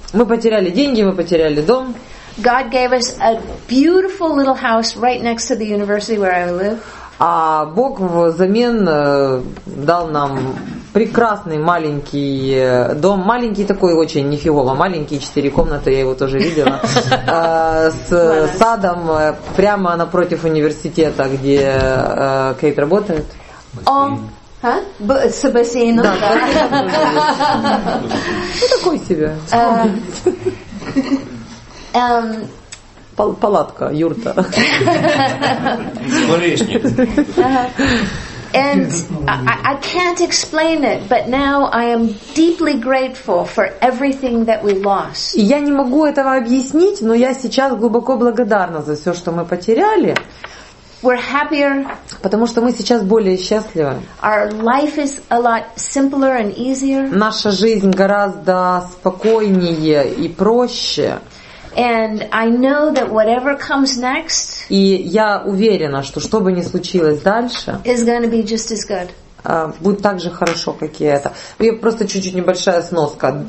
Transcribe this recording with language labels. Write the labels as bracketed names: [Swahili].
[Russian] Мы потеряли деньги, мы потеряли дом. [English] God gave us a beautiful little house right next to the university where I live. [Russian] А Бог взамен дал нам прекрасный маленький дом, маленький такой очень, нифигово маленький, 4 комнаты, я его тоже видела, с садом прямо напротив университета, где Кейт работает. С бассейном, да. Ну такой себе. Палатка, юрта. [English] And I can't explain it, but now I am deeply grateful for everything that we lost. [Russian] Я не могу этого объяснить, но я сейчас глубоко благодарна за все, что мы потеряли. [English] We're happier. [Russian] Потому что мы сейчас более счастливы. [English] Our life is a lot simpler and easier. [Russian] Наша жизнь гораздо спокойнее и проще. [English] And I know that whatever comes next, [Russian] и я уверена, что бы ни случилось дальше, [English] is going to be just as good. [Russian] Будет так же хорошо, как и это. Я просто чуть-чуть небольшая сноска.